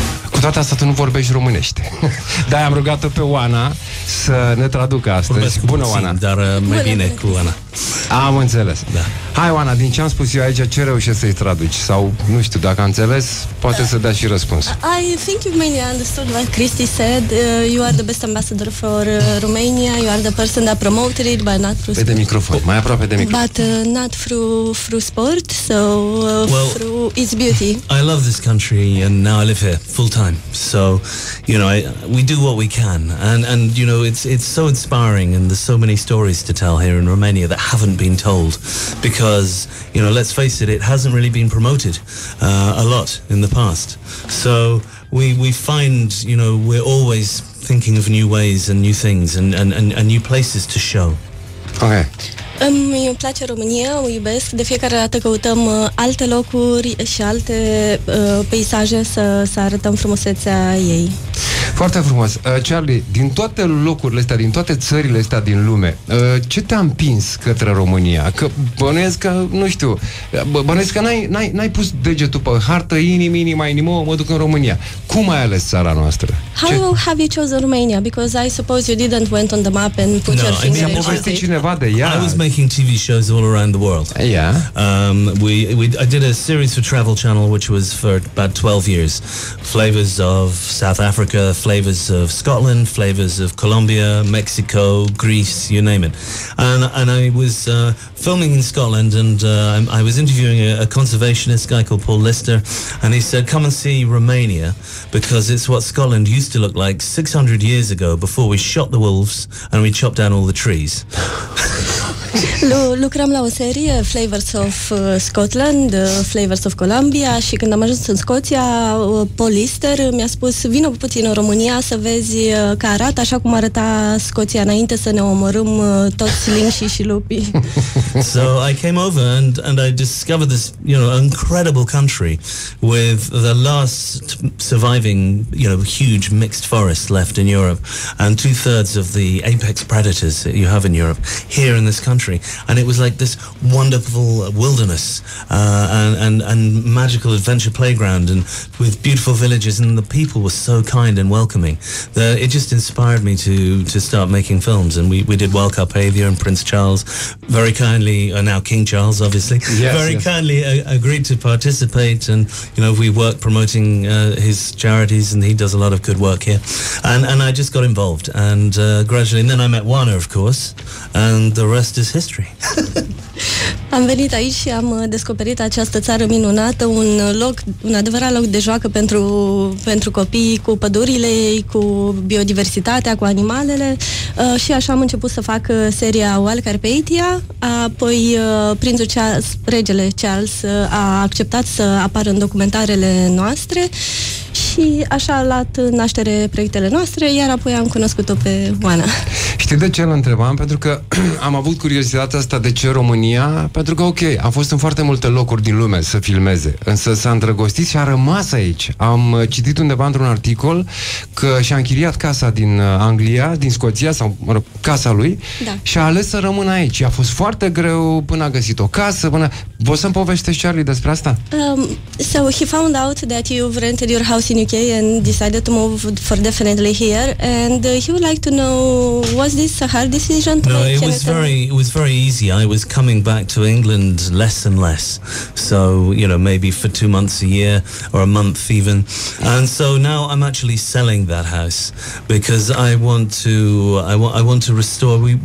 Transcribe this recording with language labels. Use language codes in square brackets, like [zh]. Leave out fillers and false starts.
[ro] Cu toate astea, tu nu vorbești românește. De-aia am rugat-o pe Oana să ne traducă astăzi. Vorbesc bună, puțin, Oana! Dar mai bine cu Oana. Am înțeles. Da. Hai, Oana, din ce am spus eu aici, ce reușești să-i traduci? Sau, nu știu, dacă am înțeles, poate să dea și răspuns. [en] I think you mainly understood what Christy said. You are the best ambassador for Romania. You are the person that promoted it, but not through sport. [ro] Pe de microfon, mai aproape de microfon. [en] But not through sport, so well, through its beauty. I love this country and now I live here full time. So, you know, we do what we can. And you know, it's so inspiring and there's so many stories to tell here in Romania that haven't been told. Because, you know, let's face it, it hasn't really been promoted a lot in the past. So we find, you know, we're always thinking of new ways and new things and new places to show. Okay. [ro] Îmi place România, o iubesc. De fiecare dată căutăm alte locuri și alte peisaje să arătăm frumusețea ei. Foarte frumos. Charlie, din toate locurile astea, din toate țările astea din lume, ce te-a împins către România? Că bănuiesc că, nu știu, bănuiesc că n-ai pus degetul pe hartă, inima, mă duc în România. Cum ai ales țara noastră? [en] How have you chosen Romania? Because I suppose you didn't went on the map and put your finger. No, I mean, I'm [ro] cineva de ea. [en] I was making TV shows all around the world. Yeah. I did a series for Travel Channel, which was for about 12 years. Flavors of South Africa, flavors of Scotland, flavors of Colombia, Mexico, Greece, you name it. And I was filming in Scotland and I was interviewing a conservationist guy called Paul Lister and he said, come and see Romania because it's what Scotland used to look like 600 years ago before we shot the wolves and we chopped down all the trees. [ro] Lucram la o serie, Flavors of Scotland, Flavors of Colombia și când am ajuns în Scoția, Paul Lister mi-a spus, vină puțin în România să vezi că arată așa cum arăta Scoția înainte să ne omorâm toți linșii și lupii. [en] So I came over and I discovered this, you know, incredible country with the last surviving, you know, huge mixed forest left in Europe and two-thirds of the apex predators that you have in Europe here in this country. And it was like this wonderful wilderness and magical adventure playground and with beautiful villages and the people were so kind and welcoming. It just inspired me to start making films and we did Wild Carpathia and Prince Charles very kindly. Now King Charles, obviously, kindly agreed to participate, and you know we work promoting his charities, and he does a lot of good work here. And I just got involved, and gradually, and then I met Wana, of course, and the rest is history. [ro] Am venit aici și am descoperit această țară minunată, un loc, un adevărat loc de joacă pentru copii, cu pădurile ei, cu biodiversitatea, cu animalele. Și așa am început să fac seria Wild Carpathia. Apoi regele Charles a acceptat să apară în documentarele noastre și așa a luat naștere proiectele noastre, iar apoi am cunoscut-o pe Oana. Știi de ce îl întrebam? Pentru că am avut curiozitatea asta de ce România, pentru că, ok, am fost în foarte multe locuri din lume să filmeze, însă s-a îndrăgostit și a rămas aici. Am citit undeva într-un articol că și-a închiriat casa din Anglia, din Scoția, sau, mă rog, casa lui, da. Și a ales să rămână aici. A fost foarte greu până a găsit o casă, până... Poți să-mi povestești, Charlie, despre asta? [en] So he found out that you've rented your house in UK and decided to move for definitely here, and he would like to know, was this a hard decision to make? No, it was very easy. I was coming back to England less and less, so, you know, maybe for 2 months a year or a month even, and so now I'm actually selling that house because I want to restore.